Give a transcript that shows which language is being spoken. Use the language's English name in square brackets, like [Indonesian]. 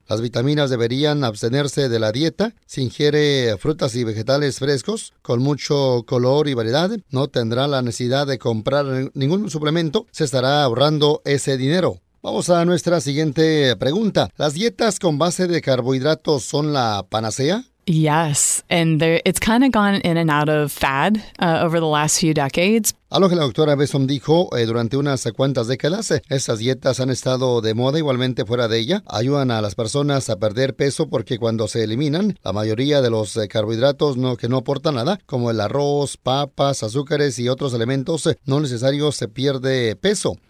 [Spanish] Las vitaminas deberían abstenerse de la dieta. Si ingiere frutas y vegetales frescos, con mucho color y variedad, no tendrá la necesidad de comprar ningún suplemento. Se estará ahorrando ese dinero. Vamos a nuestra siguiente pregunta. ¿Las dietas con base de carbohidratos son la panacea? [English] Yes, and it's kind of gone in and out of fad over the last few decades. [Spanish] A lo que la doctora Besom dijo, durante unas cuantas décadas, esas dietas han estado de moda igualmente fuera de ella. Ayudan a las personas a perder peso porque cuando se eliminan, la mayoría de los carbohidratos no aportan nada, como el arroz, papas, azúcares y otros elementos no necesarios, se pierde peso.